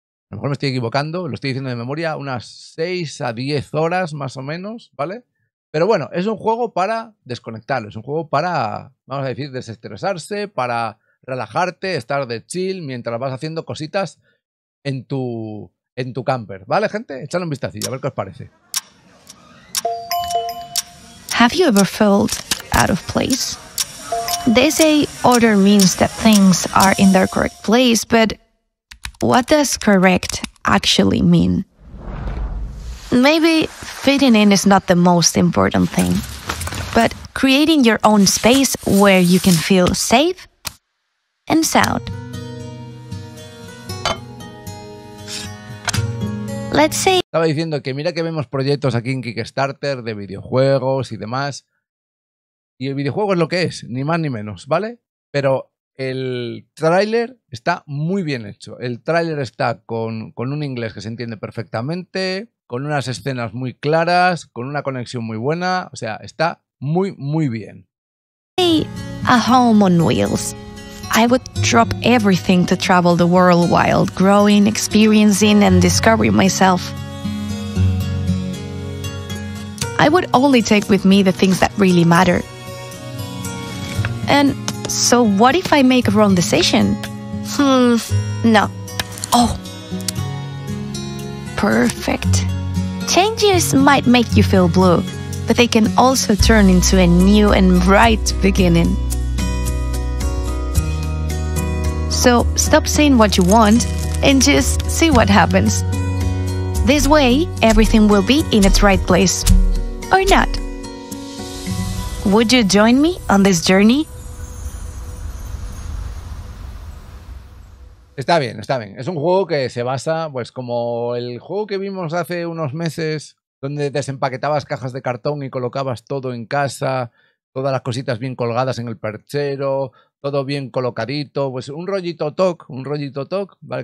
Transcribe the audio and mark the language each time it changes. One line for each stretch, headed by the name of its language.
Spanish: A lo mejor me estoy equivocando, lo estoy diciendo de memoria, unas 6 a 10 horas más o menos, ¿vale? Pero bueno, es un juego para desconectar, es un juego para, vamos a decir, desestresarse, para relajarte, estar de chill mientras vas haciendo cositas en tu camper, ¿vale, gente? Échale un vistacillo, a ver qué os parece.
English: Have you ever felt out of place? They say order means that things are in their correct place, but what does correct actually mean? Maybe fitting in is not the most important thing, but creating your own space where you can feel safe and sound. Let's see.
Spanish: Estaba diciendo que mira que vemos proyectos aquí en Kickstarter de videojuegos y demás. Y el videojuego es lo que es, ni más ni menos, ¿vale? Pero el tráiler está muy bien hecho. El tráiler está con un inglés que se entiende perfectamente, con unas escenas muy claras, con una conexión muy buena. O sea, está muy, muy bien.
English: A home on wheels. I would drop everything to travel the world while growing, experiencing and discovering myself. I would only take with me the things that really matter. And so what if I make a wrong decision? No. Oh. Perfect. Changes might make you feel blue, but they can also turn into a new and bright beginning. So stop saying what you want and just see what happens. This way, everything will be in its right place. Or not. Would you join me on this journey?
Spanish: Está bien, está bien. Es un juego que se basa, pues como el juego que vimos hace unos meses, donde desempaquetabas cajas de cartón y colocabas todo en casa todas las cositas bien colgadas en el perchero, todo bien colocadito, pues un rollito toc, ¿vale?